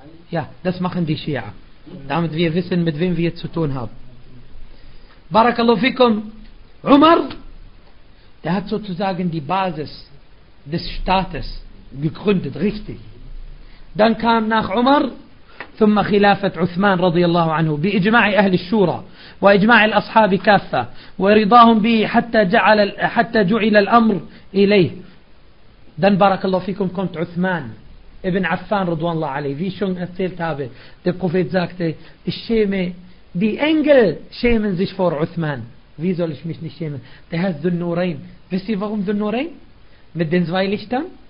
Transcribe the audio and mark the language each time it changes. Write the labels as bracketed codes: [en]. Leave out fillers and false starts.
[de] Ja, das machen die Schia. Damit wir wissen, mit wem wir zu tun haben. Barakallahu fikum. Umar, der hat sozusagen die Basis des Staates gegründet, richtig. Dann kam nach Umar, [ar] ثم خلافة عثمان رضي الله عنه بإجماع أهل الشورى وإجماع الأصحاب كافة ورضاهم به حتى جعل الأمر إليه. [de] Dann barakallahu fikum kommt Uthman Ibn Affan radhiyallahu anhu, wie ich schon erzählt habe, der Prophet sagte, ich schäme, die Engel schämen sich vor Uthman. Wie soll ich mich nicht schämen? Der heißt Dhun-Nurayn. Wisst ihr warum Dhun-Nurayn? Mit den zwei Lichtern?